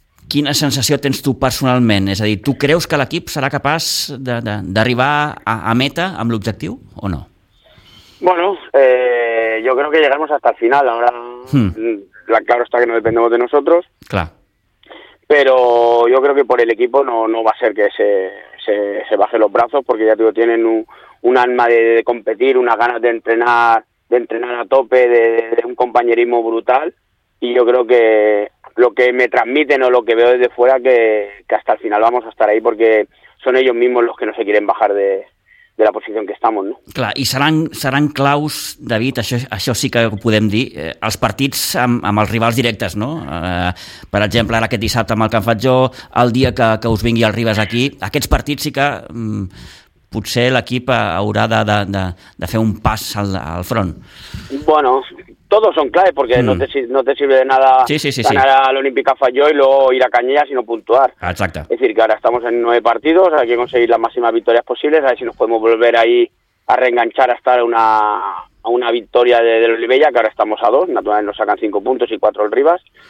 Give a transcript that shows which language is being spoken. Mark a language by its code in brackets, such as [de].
[ca] Quina sensació tens tu personalment? És a dir, tu creus que l'equip serà capaç d'arribar a meta amb l'objectiu o no? [es] Bueno, yo creo que llegamos hasta el final. Ahora, claro está que no dependemos de nosotros. Claro. Pero yo creo que por el equipo no va a ser que se baje los brazos, porque ya digo, tienen un alma de competir, unas ganas de entrenar a tope, de un compañerismo brutal. Y yo creo que lo que me transmiten o lo que veo desde fuera, que hasta el final vamos a estar ahí, porque son ellos mismos los que no se quieren bajar de la posición que estamos, ¿no? [ca] Clar, i seran claus, David, això sí que ho podem dir, els partits amb els rivals directes, no? Per exemple, ara aquest dissabte amb el Can Fatjó, el dia que us vingui el Ribes aquí, aquests partits sí que potser l'equip haurà de fer un pas al front. [es] Bueno, todos son claves, porque no te sirve de nada ganar al Olímpica Falló y luego ir a Cañella sino puntuar. Exacto. Es decir, que ahora estamos en 9 partidos, hay que conseguir las máximas victorias posibles, a ver si nos podemos volver ahí a reenganchar hasta a una victoria del Olivella, que ahora estamos a 2, naturalmente nos sacan 5 puntos y 4 el Ribas.